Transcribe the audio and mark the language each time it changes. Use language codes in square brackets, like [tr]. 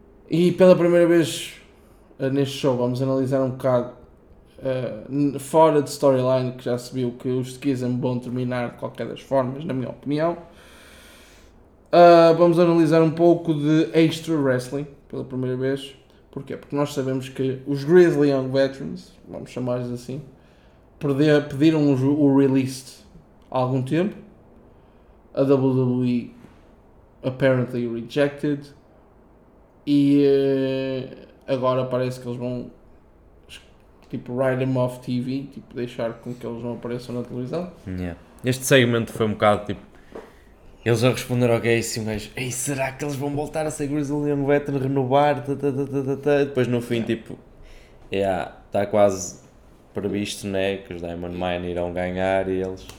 [pt] E pela primeira vez neste show vamos analisar um bocado, fora de storyline, que já se viu que os Schism vão terminar de qualquer das formas, na minha opinião. Vamos analisar um pouco de extra wrestling, pela primeira vez. Porquê? Porque nós sabemos que os Grizzly Young Veterans, vamos chamar-lhes assim, pediram o release há algum tempo. [en] A WWE apparently rejected. [pt] E agora parece que eles vão, tipo, write them off TV, tipo, deixar com que eles não apareçam na televisão. Yeah. Este segmento foi um bocado, tipo, eles a responder ao Gacy, mas ei, será que eles vão voltar a ser Grizzly Young Veteran, renovar, depois no fim, tipo, está quase previsto, né, que os Diamond Mine irão ganhar e eles...